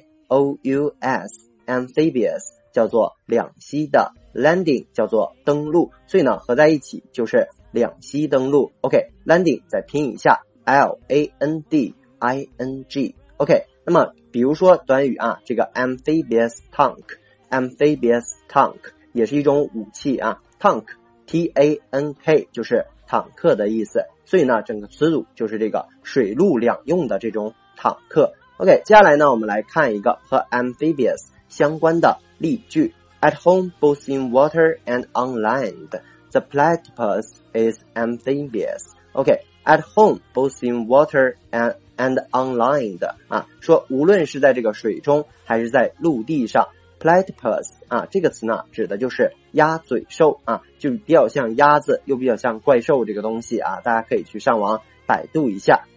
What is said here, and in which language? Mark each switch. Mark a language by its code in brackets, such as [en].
[zh] A-M-P-H-I-B-I-O-U-S Amphibious 叫做两栖的， Landing 叫做登陆，所以呢合在一起就是两栖登陆。 OK， Landing 再拼一下 L-A-N-D-I-N-G。 OK， 那么比如说短语啊，这个 Amphibious Tank， Amphibious Tank 也是一种武器啊， Tank T-A-N-K 就是坦克的意思，所以呢整个词组就是这个水陆两用的这种坦克。 OK， 接下来呢我们来看一个和 Amphibious 相关的例句。 [en] At home both in water and on land the platypus is amphibious。 [zh] OK， [en] at home both in water and on land、 [zh] 啊、说无论是在这个水中还是在陆地上， platypus、啊、这个词呢指的就是鸭嘴兽啊，就比较像鸭子又比较像怪兽这个东西啊，大家可以去上网百度一下。